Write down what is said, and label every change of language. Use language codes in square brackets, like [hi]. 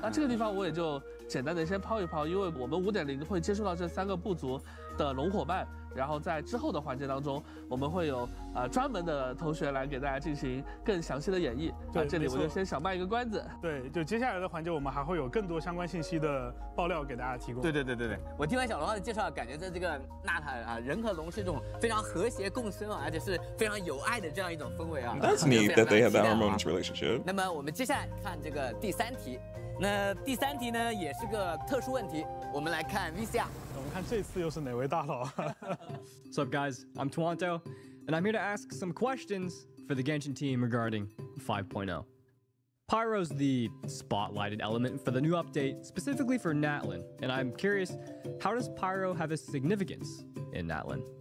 [zh] 那这个地方我也就简单的先抛一抛，因为我们5.0会接触到这三个部族的龙伙伴，然后在之后的环节当中，我们会有专门的同学来给大家进行更详细的演绎。对，这里我就先小卖一个关子。对，就接下来的环节，我们还会有更多相关信息的爆料给大家提供。对对对对对，我听完小龙的介绍，感觉在这个纳塔啊，人和龙是一种非常和谐共生啊，而且是非常有爱的这样一种氛围啊。 [en] That's neat that they have that harmonious relationship. [zh] 那么我们接下来看这个第三题。那第三题呢也是个特殊问题，我们来看 VCR。我们看这次又是哪位大佬。 [en] What's up guys, I'm Tuanto, and I'm here to ask some questions for the Genshin team regarding 5.0. Pyro's the spotlighted element for the new update, specifically for Natlan, and I'm curious, how does Pyro have a significance in Natlan?